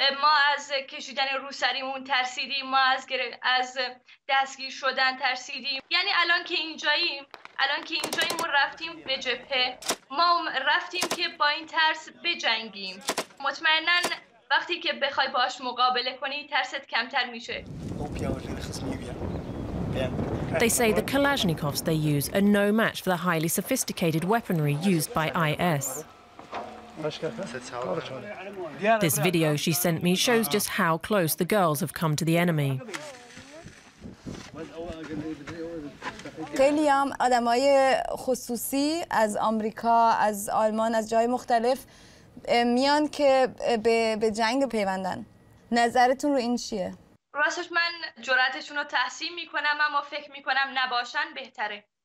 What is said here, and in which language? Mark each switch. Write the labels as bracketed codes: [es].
[fa] ما از کشیدن روسریمون ترسیدیم. ما از دستگیر شدن ترسیدیم. یعنی الان که اینجاییم، الان که اینجاییم و رفتیم به جبهه، ما رفتیم که با این ترس بجنگیم. مطمئناً وقتی که بخوای باش مقابله کنی، ترست کمتر میشه. [en] They say the Kalashnikovs they use are no match for the highly sophisticated weaponry used by IS. This video she sent me shows just how close the girls have come to the enemy. [fa] خیلی هم آدم های خصوصی از آمریکا، از آلمان، از جای مختلف میان که به جنگ پیوندن. نظرتون رو این چیه؟ راستش من جرأتشون رو تحسین میکنم اما فکر میکنم نباشن بهتره.